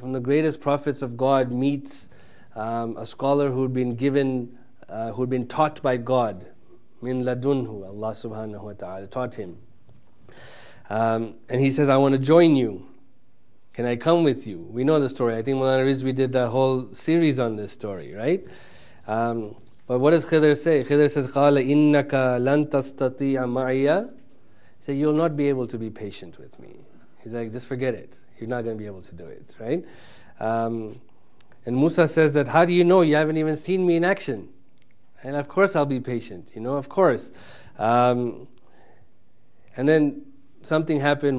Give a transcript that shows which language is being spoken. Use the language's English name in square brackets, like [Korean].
[English] From the greatest prophets of God, meets a scholar who'd been given, who'd been taught by God, min ladunhu, Allah subhanahu wa ta'ala, taught him. And he says, I want to join you. Can I come with you? We know the story. I think Mulana Rizvi did a whole series on this story, right? But what does Khidr say? Khidr says, [Arabic] قَالَ إِنَّكَ لَن تَسْتَطِيعَ مَعِيَ. [English] He said, you'll not be able to be patient with me. He's like, just forget it. You're not going to be able to do it, right? And Musa says that, how do you know? You haven't even seen me in action. And of course I'll be patient, you know, of course. And then something happened.